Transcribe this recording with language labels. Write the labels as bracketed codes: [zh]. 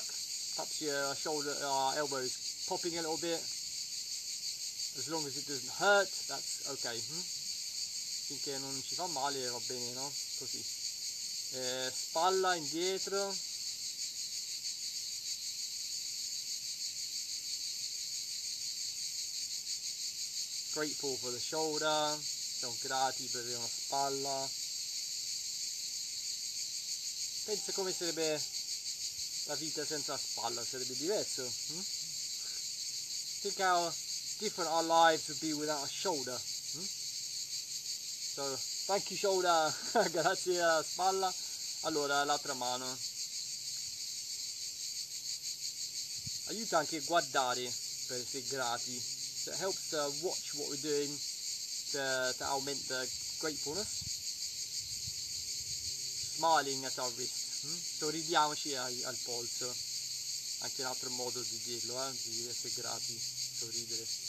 [en] Perhaps your shoulder, elbow is popping a little bit. As long as it doesn't hurt, that's okay. [it] Finché non ci fa male, va bene, no? Così. Spalla indietro. [en] Grateful for the shoulder. [it] Siamo grati per avere una spalla. Pensa come sarebbe la vita senza spalla, sarebbe diverso. [en] Think how different our lives would be without a shoulder. So, thank you shoulder, [it] grazie alla spalla. Allora, l'altra mano. Aiuta anche a guardare per essere grati. [en] So it helps to watch what we're doing to augment the gratefulness. Smiling at our wrist. [it] Sorridiamoci al polso, anche un altro modo di dirlo, di essere grati, sorridere.